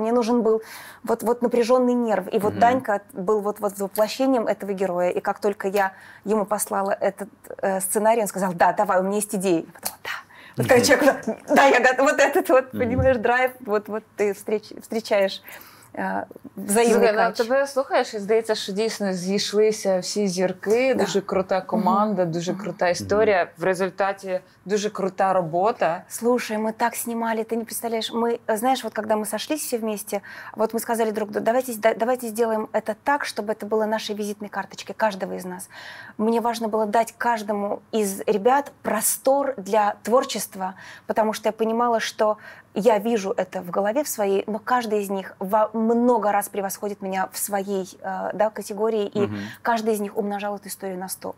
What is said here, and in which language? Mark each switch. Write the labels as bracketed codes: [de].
[ru] Мне нужен был вот напряженный нерв. И вот Данька был вот воплощением этого героя. И как только я ему послала этот сценарий, он сказал: да, давай, у меня есть идея. Я подумала: да. Вот когда человек говорит: да, я готов, вот этот вот, понимаешь, драйв, вот ты встречаешь взаимный кач. Слушай, [uk] тебе слухаєш, і здається, що дійсно зійшлися всі зірки, дуже крута команда, дуже крута історія, в результаті дуже крута робота. [ru] Слушай, мы так снимали, ты не представляешь, мы, знаешь, вот когда мы сошлись все вместе, вот мы сказали друг другу: давайте сделаем это так, чтобы это было нашей визитной карточкой каждого из нас. Мне важно было дать каждому из ребят простор для творчества, потому что я понимала, что я вижу это в голове в своей, но каждый из них во много раз превосходит меня в своей категории, и каждый из них умножал эту историю на 100.